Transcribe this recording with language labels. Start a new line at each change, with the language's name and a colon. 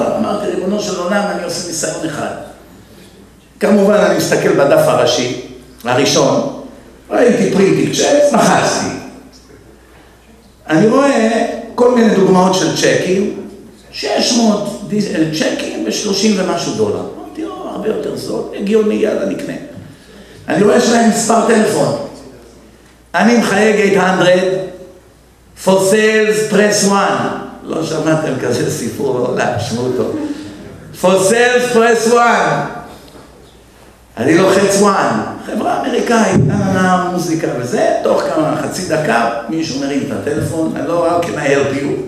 Hebrew: אמרתי, ריבונו של עולם, אני עושה ניסיון אחד. כמובן, אני מסתכל בדף הראשי, הראשון, ראיתי פרינטינג צ'קס, מחסתי. אני רואה כל מיני דוגמאות של צ'קים, 600 צ'קים ב-$30 ומשהו דולר. אמרתי, הרבה יותר זול, הגיוני, יאללה, נקנה. אני רואה שיש להם מספר טלפון. אני מחייג
English: 800 for sales press 1.
Hebrew: לא שמעתם כזה סיפור בעולם, שמעו אותו.
English: for sales press 1.
Hebrew: אני לוחץ 1. חברה אמריקאית, מוזיקה וזה, תוך כמה, חצי דקה, מישהו מרים את הטלפון, אני לא רואה,
English: can I help you?